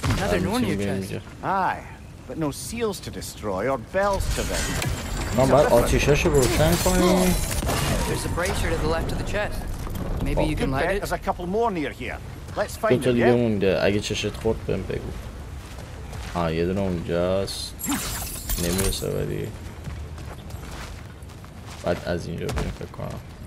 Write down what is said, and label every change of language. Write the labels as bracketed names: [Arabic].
[English] Aye, but no seals to destroy or bells to them. No, but [Persian] آتیشش رو روشن کنیم. [English] There's a brazier to the left of the chest. Maybe you can light it. There's a couple more near here. Let's find it. Yeah. [Persian] اون دیگه اگه چشات خورد بهم بگو. آه یه دونه اونجاست. نمیرسه ولی. بعد از اینجا بریم فکر کنم.